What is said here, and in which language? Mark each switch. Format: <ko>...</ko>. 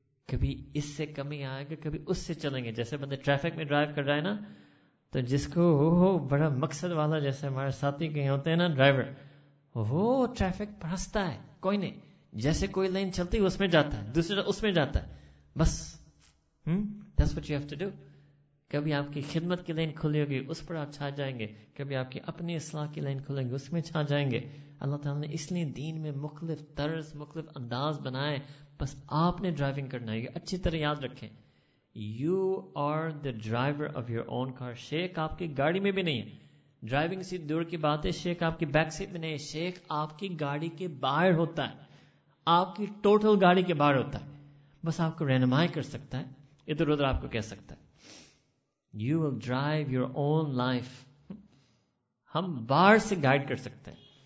<ur>کبھی اس سے کمی آئے گا, کبھی اس سے چلیں گے. جیسے بندے ٹریفک میں ڈرائیو کر رہا ہے نا, تو جس کو وہ بڑا مقصد والا, جیسے ہمارے ساتھی کہیں ہوتے ہیں نا ڈرائیور, وہ ٹریفک پھنستا ہے کوئی نہیں, جیسے کوئی لائن چلتی اس میں جاتا ہے, دوسرے اس میں جاتا ہے, بس.</ur> <en>That's what you have to do.</en> <ur>کبھی آپ کی خدمت کی لائن کھلی ہوگی اس پر آپ چھا جائیں گے, کبھی آپ کی اپنی اصلاح کی لائن کھلیں گے اس میں چھا جائیں گے. اللہ تعالیٰ نے اس لیے دین میں مختلف طرز مختلف انداز بنائے, بس آپ نے ڈرائیونگ کرنا ہے. اچھی طرح یاد رکھیں,</ur> <en>You are the driver of your own car.</en> <ur>شیخ آپ کی گاڑی میں بھی نہیں ہے, ڈرائیونگ سیٹ دور کی بات ہے, شیخ آپ کی بیک سیٹ میں نہیں ہے, شیخ آپ کی گاڑی کے باہر ہوتا ہے, آپ کی ٹوٹل گاڑی کے باہر ہوتا ہے, بس آپ کو رہنمائی کر سکتا ہے, ادھر ادھر آپ کو کہہ سکتا ہے.</ur> <en>You will drive your own life.</en> <ur>ہم باہر سے گائڈ کر سکتے ہیں,</ur>